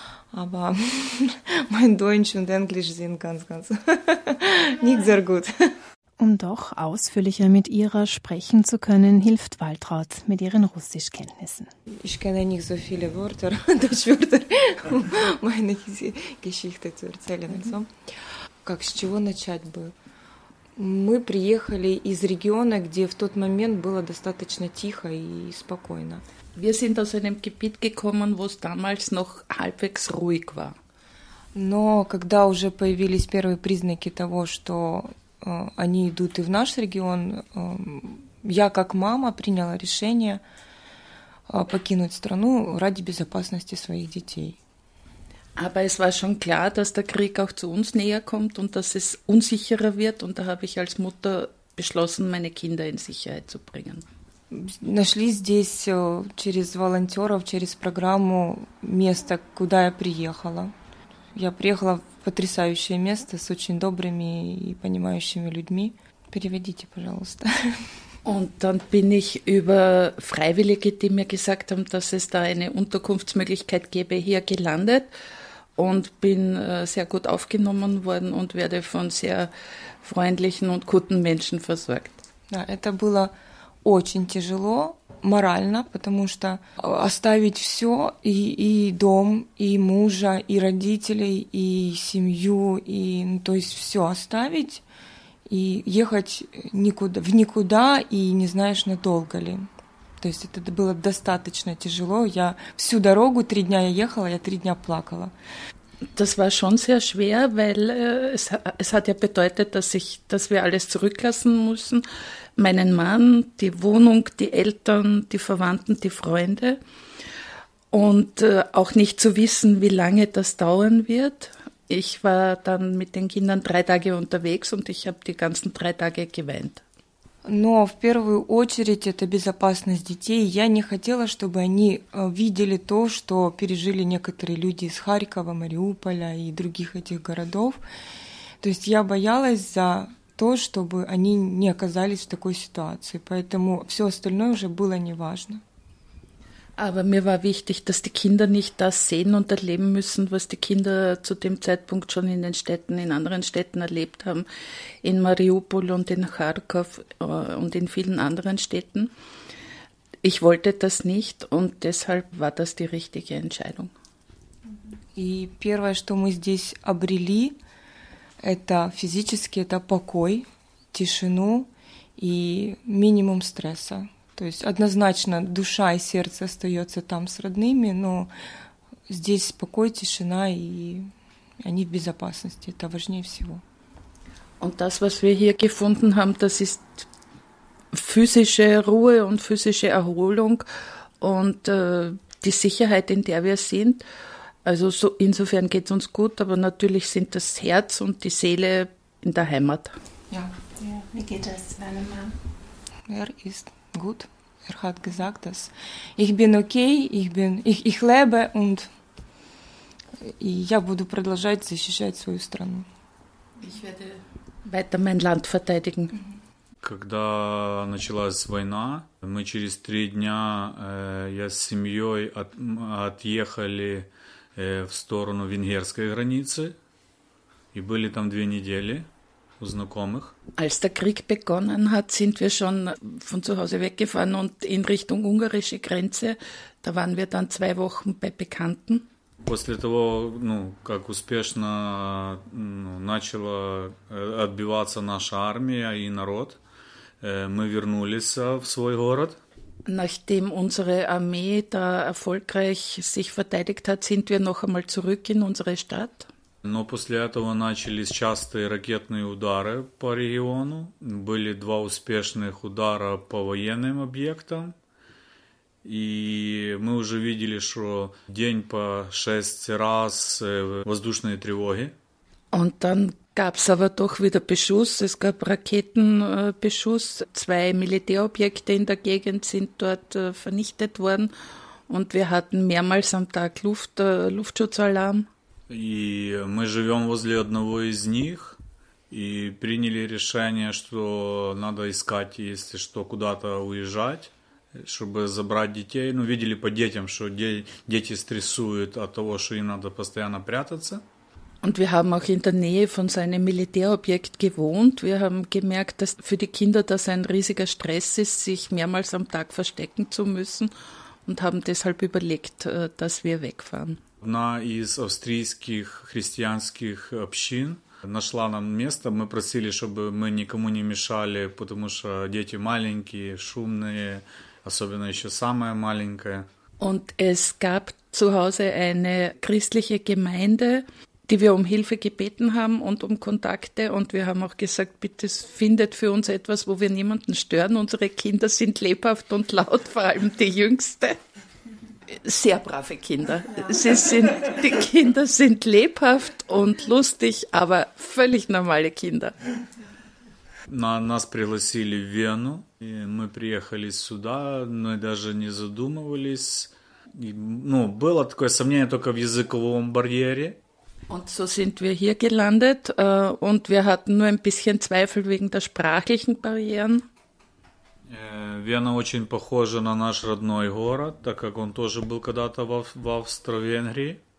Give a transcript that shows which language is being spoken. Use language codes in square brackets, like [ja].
[de] Aber mein Deutsch und Englisch sind ganz, ganz nicht sehr gut. Um doch ausführlicher mit ihrer sprechen zu können, hilft Waltraud mit ihren Russischkenntnissen. Ich kenne nicht so viele Wörter, Deutschwörter, um meine Geschichte zu erzählen. [ru] Also, как с чего начать бы? Мы приехали из региона, где в тот момент было достаточно тихо и спокойно. [de] Wir sind aus einem Gebiet gekommen, wo es damals noch halbwegs ruhig war. [ru] Но когда уже появились первые признаки того, что они идут и в наш регион, я как мама приняла решение покинуть страну ради безопасности своих детей. [de] Aber es war schon klar, dass der Krieg auch zu uns näher kommt und dass es unsicherer wird. Und da habe ich als Mutter beschlossen, meine Kinder in Sicherheit zu bringen. [ru] Нашли здесь через волонтеров, через программу место, куда я приехала. Я приехала в потрясающее место с очень добрыми и понимающими людьми. Переведите, пожалуйста. [de] Und dann bin ich über Freiwillige, die mir gesagt haben, dass es da eine Unterkunftsmöglichkeit gäbe, hier gelandet und bin sehr gut aufgenommen worden und werde von sehr freundlichen und guten Menschen versorgt. [ru] Ja, это было очень тяжело морально, потому что оставить все и дом, и мужа, и родителей, и семью, и то есть все оставить. И ехать никуда, в никуда и не знаешь, надолго ли. То есть это было достаточно тяжело. Я всю дорогу, 3 дня я ехала, я 3 дня плакала. [de] Das war schon sehr schwer, weil es hat ja bedeutet, dass wir alles zurücklassen müssen. Meinen Mann, die Wohnung, die Eltern, die Verwandten, die Freunde. Und auch nicht zu wissen, wie lange das dauern wird. Ich war dann mit den Kindern 3 Tage unterwegs und ich habe die ganzen 3 Tage geweint. [ru] Но в первую очередь это безопасность детей. Я не хотела, чтобы они видели то, что пережили некоторые люди из Харькова, Мариуполя и других этих городов. То есть я боялась за то, чтобы они не оказались в такой ситуации. Поэтому все остальное уже было неважно. [de] Aber mir war wichtig, dass die Kinder nicht das sehen und erleben müssen, was die Kinder zu dem Zeitpunkt schon in den Städten, in anderen Städten erlebt haben, in Mariupol und in Charkow und in vielen anderen Städten. Ich wollte das nicht und deshalb war das die richtige Entscheidung. [ru] И первое, что мы здесь обрели, это физически, это покой, тишину и минимум стресса. То есть однозначно душа и сердце остаются там с родными, но здесь покой, тишина, и они в безопасности. Это важнее всего. [de] Und das, was wir hier gefunden haben, das ist physische Ruhe und physische Erholung und die Sicherheit, in der wir sind. Also so, insofern geht es uns gut, aber natürlich sind das Herz und die Seele in der Heimat. Ja, wie geht es deinem Mann? Er ist gut. Er hat gesagt, dass ich bin okay, ich lebe und [ru] я буду продолжать защищать свою страну. [de] Ich werde weiter mein Land verteidigen. [ru] Когда началась война, мы через три дня я с семьей отъехали в сторону венгерской границы и были там две недели у знакомых. [de] Als der Krieg begonnen hat, sind wir schon von zu Hause weggefahren und in Richtung ungarische Grenze. Da waren wir dann zwei Wochen bei Bekannten. [ru] После того, как успешно начала отбиваться наша армия и народ, мы вернулись в свой город. [de] Nachdem unsere Armee da erfolgreich sich verteidigt hat, sind wir noch einmal zurück in unsere Stadt. [ru] Но после этого начались частые ракетные удары по региону. Были два успешных удара по военным объектам. И мы уже видели, что день по шесть раз воздушные тревоги. [de] Und dann gab's aber doch wieder Beschuss. Es gab Raketenbeschuss. Zwei Militärobjekte in der Gegend sind dort vernichtet worden. Und wir hatten mehrmals am Tag Luftschutzalarm. [ru] И мы живем возле одного из них. И приняли решение, что надо искать, если что, куда-то уезжать. Чтобы забрать детей, видели по детям, что дети стрессуют от того, что им надо постоянно прятаться. [de] Und wir haben auch in der Nähe von seinem Militärobjekt gewohnt. Wir haben gemerkt, dass für die Kinder das ein riesiger Stress ist, sich mehrmals am Tag verstecken zu müssen und haben deshalb überlegt, dass wir wegfahren. [ru] Одна из австрийских христианских общин нашла нам место. Мы просили, чтобы мы никому не мешали, потому что дети маленькие, шумные. Особенно еще самая маленькая. [de] Und es gab zu Hause eine christliche Gemeinde, die wir um Hilfe gebeten haben und um Kontakte. Und wir haben auch gesagt, bitte findet für uns etwas, wo wir niemanden stören. Unsere Kinder sind lebhaft und laut, vor allem die Jüngste. Sehr brave Kinder. Die Kinder sind lebhaft und lustig, aber völlig normale Kinder. [ru] Нас пригласили в Вену, и мы приехали сюда, мы даже не задумывались. И, было такое сомнение только в языковом барьере. [de] Und so sind wir hier gelandet, und wir hatten nur ein bisschen Zweifel wegen der sprachlichen Barrieren. [ru] Вена очень похожа на наш родной город, так как он тоже был когда-то в Австро-Венгрии.